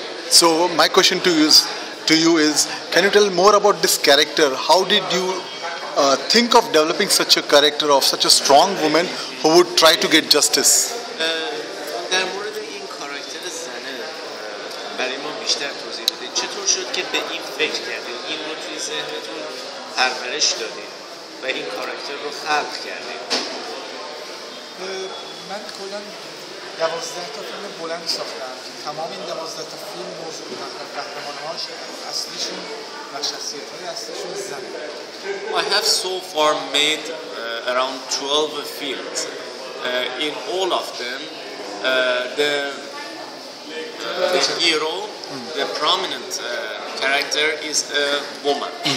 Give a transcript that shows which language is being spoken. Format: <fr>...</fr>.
<en>So my question to you is, can you tell more about this character? How did you think of developing such a character of such a strong woman who would try to get justice?</en> <fa>در مورد این کاراکتر زنه برای ما بیشتر توضیح بده. چطور شد که به این فکر کردی؟ این رو توی ذهنتون پرورش دادی و این کاراکتر رو خلق کردی؟ من کلا 12 تا فیلم بلند ساختم. تمام این 12 تا فیلم موضوع قهرمان‌هاش اصلیشون و شخصیت‌های اصلیشون زنه.</fa> <en>I have so far made around 12 films. In all of them, the hero, the prominent character, is a woman.</en>